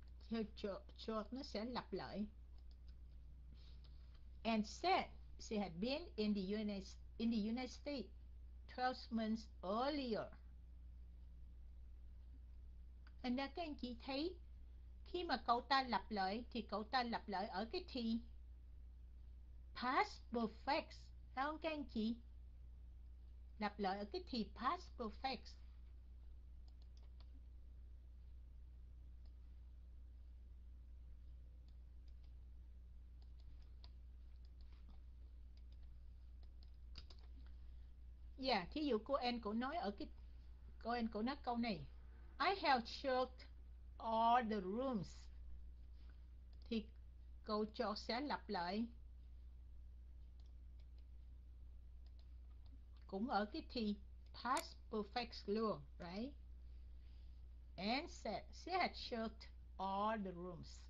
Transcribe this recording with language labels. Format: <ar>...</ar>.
<vi>Thì nó sẽ lặp lại.</vi> <en>And said she had been in the United States 12 months earlier.</en> <vi>Anh đã các anh chị thấy khi mà cậu ta lặp lại thì cậu ta lặp lại ở cái thì past perfect, phải không các anh chị? Lặp lại ở cái thì past perfect. Yeah, thí dụ cô em cũng nói ở cái cô em cũng nói câu này.</vi> <en>I have checked all the rooms.</en> <vi>Thì câu cho sẽ lặp lại. Cũng ở cái thì past perfect luôn, right?</vi> <en>And said she had checked all the rooms.</en>